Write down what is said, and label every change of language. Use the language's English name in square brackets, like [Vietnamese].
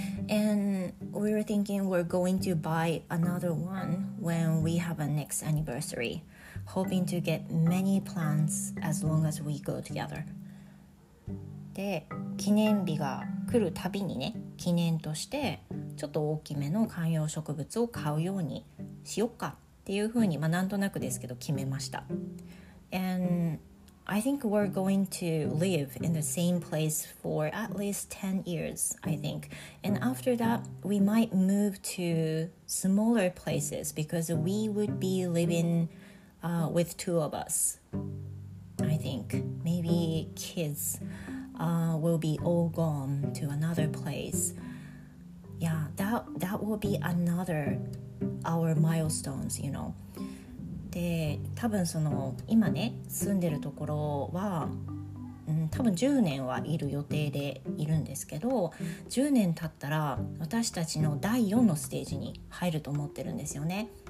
[English] And we were thinking we're going to buy another one when we have a next anniversary, hoping to get many plants as long as we go together. [Japanese] で、記念日が来るたびにね、記念としてちょっと大きめの観葉植物を買うようにしよっかっていうふうに、まあ、なんとなくですけど決めました。 [English] AndI think we're going to live in the same place for at least 10 years, I think. And after that, we might move to smaller places because we would be living with two of us. I think maybe kids will be all gone to another place. Yeah, that will be another our milestones, you know. [Japanese] で多分その今ね住んでるところは、多分10年はいる予定でいるんですけど、10年経ったら私たちの第4のステージに入ると思ってるんですよね。